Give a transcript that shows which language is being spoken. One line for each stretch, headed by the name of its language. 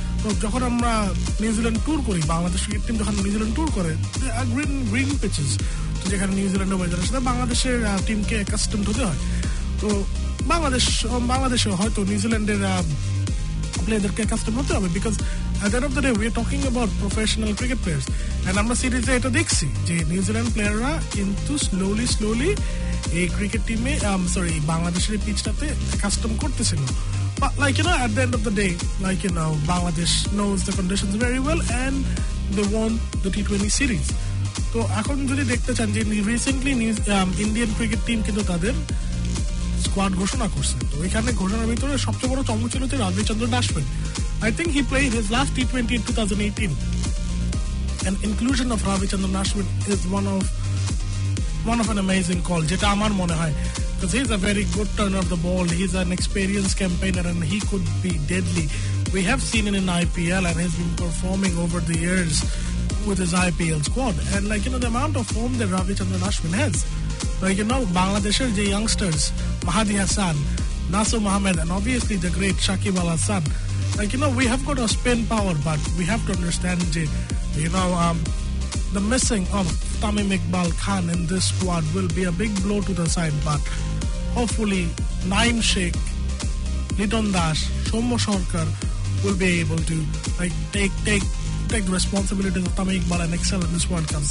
Bangla: তো যখন আমরা নিউজিল্যান্ড ট্যুর করি, বাংলাদেশ ক্রিকেট টিম যখন নিউজিল্যান্ড ট্যুর করে, গ্রিন পিচেস, তো যেখানে নিউজিল্যান্ডের ওয়েদারের সাথে বাংলাদেশের টিমকে অ্যাকাস্টমড হতে হয়, তো বাংলাদেশে হয়তো নিউজিল্যান্ডের প্লেয়ারদেরকে অ্যাকাস্টমড হতে হবে,
English: Because at end of the day we are talking about professional cricket players.
Bangla: And আমরা সিরিজে এটা দেখছি যে নিউজিল্যান্ড প্লেয়াররা কিন্তু স্লোলি এই ক্রিকেট টিমে বাংলাদেশের পিচটাতে অ্যাকাস্টম করতেছিল।
English: But like, you know, at the end of the day, like, you know, Bangladesh knows the conditions very well and they won the T20 series. So,
Bangla: এখন যদি দেখতে চান যে রিসেন্টলি ইন্ডিয়ান ক্রিকেট টিম কিন্তু তাদের squad ঘোষণা করছে, তো এখানে ঘোষণার ভিতরে সবচেয়ে বড় চমক ছিল যে Ravichandran Ashwin,
English: I think he played his last T20 in 2018, and inclusion of Ravichandran Ashwin is one of an amazing call,
Bangla: যেটা আমার মনে হয়,
English: because he's a very good turner of the ball, he's an experienced campaigner and he could be deadly. We have seen him in IPL and he's been performing over the years with his IPL squad, and like, you know, the amount of form that Ravichandran Ashwin has, like, you know, Bangladesh's the youngsters Mahdi Hasan, Nasir Mohammed, and obviously the great Shakib Al Hasan, like, you know, we have got a spin power, but we have to understand the missing of Tamim Iqbal Khan in this squad will be a big blow to the side, but hopefully Naeem Sheikh, Liton Dash, Soumya Sarkar will be able to take the responsibility of Tamim Iqbal and excel in this World Cup.